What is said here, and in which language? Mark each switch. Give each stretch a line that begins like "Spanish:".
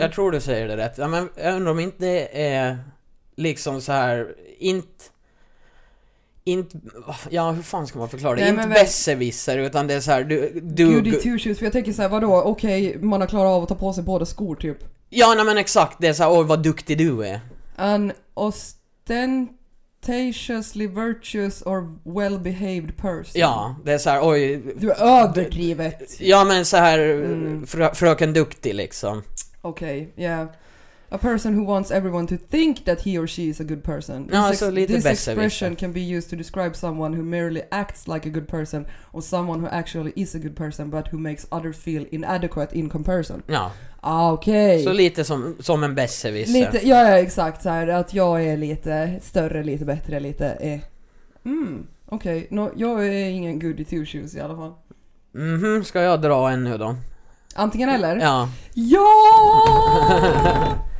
Swedish: Jag tror du säger det rätt. Ja, men jag undrar om inte det är liksom så här, inte, ja, hur fan ska man förklara det? Nej, inte besserwisser, utan det är så här, du goody two shoes, för jag tänker så här, vadå? Okej, man har klarat av att ta på sig båda skor typ. Ja, nej, men exakt, det är så här, vad duktig du är.
English: An ostentatiously virtuous or well behaved person.
Swedish: Ja, det är så här, oj, du är överdrivet. Ja, men så här, fröken duktig liksom. Okej, okay, yeah.
English: A person who wants everyone to think that he or she is a good person. No, this this expression can be used to describe someone who merely acts like a good person or someone who actually is a good person but who makes others feel inadequate in comparison.
Swedish: Ja. Ah, okej. Okay. Så lite som en besserwisser. Lite, ja, ja, exakt. Så här, att jag är lite större, lite bättre, lite är. Okej. Okay. Jag är ingen goody two shoes i alla fall. Mm-hmm, ska jag dra en nu då? Antingen eller? Ja. Ja!